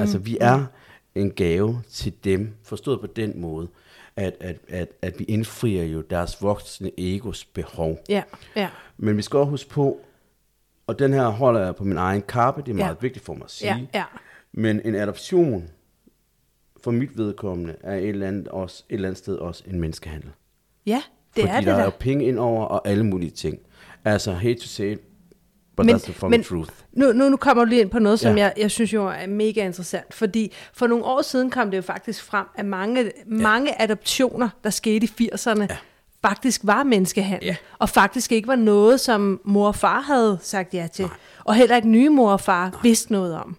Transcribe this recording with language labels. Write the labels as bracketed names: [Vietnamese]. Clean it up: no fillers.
[Danish] Altså, vi er en gave til dem, forstået på den måde, at vi indfrier jo deres voksne egos behov. Ja, ja. Men vi skal også huske på, og den her holder jeg på min egen kappe, det er meget vigtigt for mig at sige, men en adoption for mit vedkommende er et eller andet sted også en menneskehandel. Ja, det fordi er det der. Fordi der er jo penge indover og alle mulige ting. [English] Altså, hate to say it, but that's the fucking truth. [Danish] Nu kommer du lige ind på noget, som jeg synes jo er mega interessant. Fordi for nogle år siden kom det jo faktisk frem, at mange adoptioner, der skete i 80'erne, faktisk var menneskehandel. Ja. Og faktisk ikke var noget, som mor og far havde sagt ja til. Nej. Og heller ikke nye mor og far vidste noget om.